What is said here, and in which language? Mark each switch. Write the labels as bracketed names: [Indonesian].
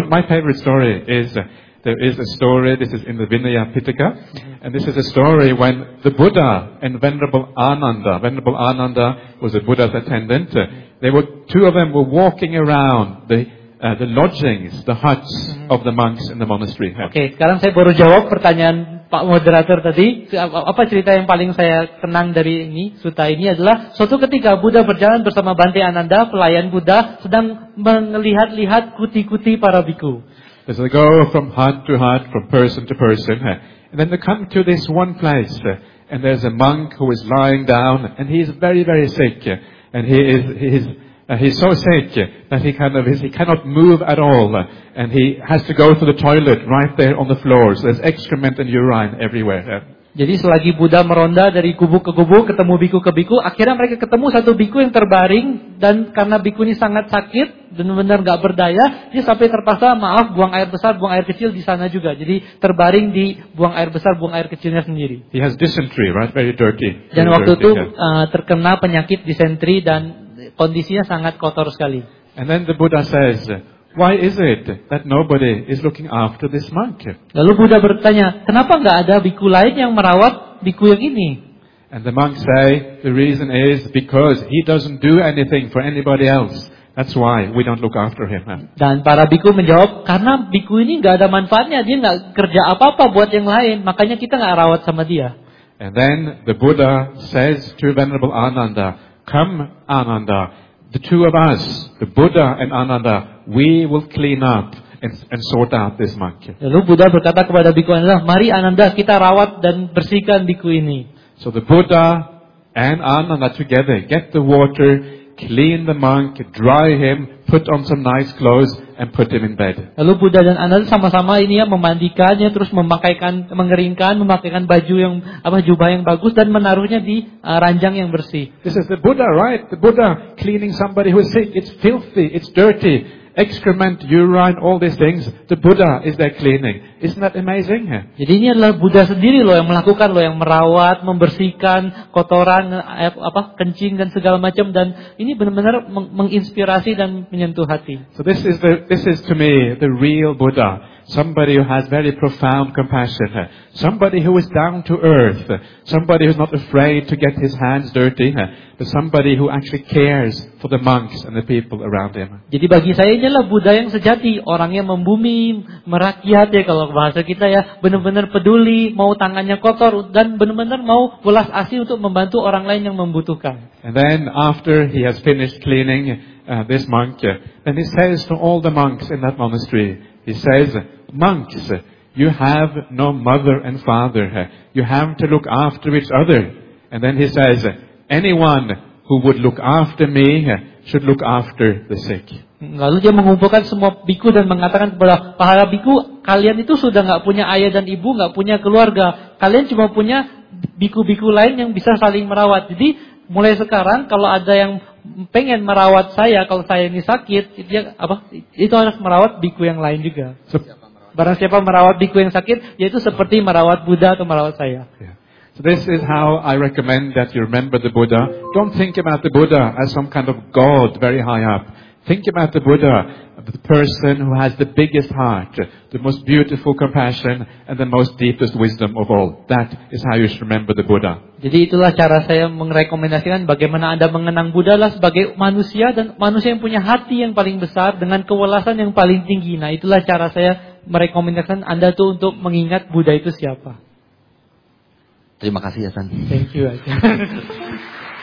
[English] My favorite story is, there is a story, this is in the Vinaya Pitaka, and this is a story when the Buddha and Venerable Ananda was a Buddha's attendant. Two of them were walking around the lodgings, the huts of the monks in the monastery. [Indonesian] Okay, sekarang saya baru jawab pertanyaan Pak Moderator tadi. Apa cerita yang paling saya kenang dari ini, suta ini adalah suatu ketika Buddha berjalan bersama Bante Ananda, pelayan Buddha, sedang melihat-lihat kuti-kuti para bhikkhu. [English] So they go from hut to hut, from person to person, and then they come to this one place, and there's a monk who is lying down, and he is very, very sick, and he is He's so sick that he cannot move at all, and he has to go to the toilet right there on the floor. So there's excrement and urine everywhere. [Indonesian] Jadi selagi Buddha meronda dari kubu ke kubu, ketemu biku ke biku, akhirnya mereka ketemu satu biku yang terbaring, dan karena biku ini sangat sakit, benar-benar enggak berdaya, dia sampai terpaksa maaf buang air besar, buang air kecil di sana juga. Jadi terbaring di buang air besar, buang air kecilnya sendiri. [English] He has dysentery, right? Very dirty. [Indonesian] Dan waktu itu terkena penyakit dysentery dan kondisinya sangat kotor sekali. [English] And then the Buddha says, why is it that nobody is looking after this monk? [Indonesian] Lalu Buddha bertanya, kenapa enggak ada biku lain yang merawat biku yang ini? [English] And the monk say, the reason is because he doesn't do anything for anybody else. That's why we don't look after him. [Indonesian] Dan para biku menjawab, karena biku ini enggak ada manfaatnya, dia enggak kerja apa-apa buat yang lain, makanya kita enggak rawat sama dia. [English] And then the Buddha says to Venerable Ananda, come Ananda, the two of us, the Buddha and Ananda, we will clean up and sort out this monk. [Indonesian] Lalu Buddha berkata kepada biku Ananda, mari Ananda, kita rawat dan bersihkan biku ini. [English] So the Buddha and Ananda together get the water, clean the monk, dry him, put on some nice clothes and put him in bed. [Indonesian] Lalu Buddha dan Ananda sama-sama ini ya memandikannya, terus memakaikan, mengeringkan, memakaikan baju yang apa jubah yang bagus dan menaruhnya di ranjang yang bersih. [English] This is the Buddha, right? The Buddha cleaning somebody who is sick. It's filthy, it's dirty. Excrement, urine, all these things. The Buddha is there cleaning. Isn't that amazing? [Indonesian] Jadi ini adalah Buddha sendiri loh yang melakukan loh, yang merawat, membersihkan kotoran, apa kencing dan segala macam. Dan ini benar-benar menginspirasi dan menyentuh hati. [English] So this is to me the real Buddha. Somebody who has very profound compassion. Somebody who is down to earth. Somebody who is not afraid to get his hands dirty. But somebody who actually cares for the monks and the people around him. [Indonesian] Jadi bagi saya inilah Buddha yang sejati. Orang yang membumi, merakyat ya kalau bahasa kita ya. Benar-benar peduli, mau tangannya kotor. Dan benar-benar mau belas asih untuk membantu orang lain yang membutuhkan. [English] And then after he has finished cleaning this monk, then he says to all the monks in that monastery, he says, monks, you have no mother and father. You have to look after each other. And then he says, anyone who would look after me should look after the sick. [Indonesian] Lalu dia mengumpulkan semua biku dan mengatakan kepada para biku, kalian itu sudah enggak punya ayah dan ibu, enggak punya keluarga. Kalian cuma punya biku-biku lain yang bisa saling merawat. Jadi mulai sekarang kalau ada yang pengen merawat saya kalau saya ini sakit, dia apa itu harus merawat biku yang lain juga. Barang siapa merawat biku yang sakit, yaitu seperti merawat Buddha atau merawat saya. [English] So this is how I recommend that you remember the Buddha. Don't think about the Buddha as some kind of god very high up. Think about the Buddha, the person who has the biggest heart, the most beautiful compassion, and the most deepest wisdom of all. That is how you should remember the Buddha. [Indonesian] Jadi itulah cara saya merekomendasikan bagaimana Anda mengenang Buddha lah sebagai manusia dan manusia yang punya hati yang paling besar dengan kewelasan yang paling tinggi. Nah, itulah cara saya merekomendasikan Anda tuh untuk mengingat Buddha itu siapa. Terima kasih, Hasan. [English] Thank you, Hasan.